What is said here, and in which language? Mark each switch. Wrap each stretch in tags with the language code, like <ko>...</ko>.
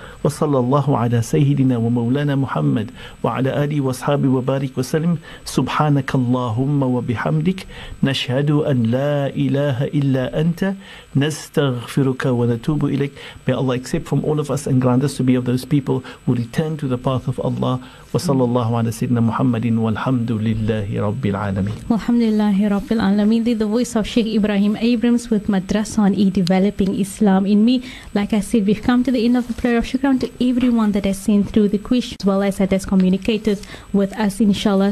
<ar>وصلى الله على سيدنا ومولانا محمد وعلى آله وصحبه وبارك وسلم. سبحانك اللهم وبحمدك نشهد أن لا إله إلا أنت نستغفرك ونتوب إليك.</ar> <en>May Allah accept from all of us and grant us to be of those people who return to the path of Allah.</en> <ar>وصلى الله على سيدنا محمد والحمد لله رب العالمين. الحمد لله رب العالمين.</ar> <en>The voice of Sheikh Ibrahim Abrams with Madrasa on E-Developing Islam in Me. Like I said, we've come to the end of the prayer of shukran to everyone that has sent through the quiz as well as that has communicated with us, inshallah.</en>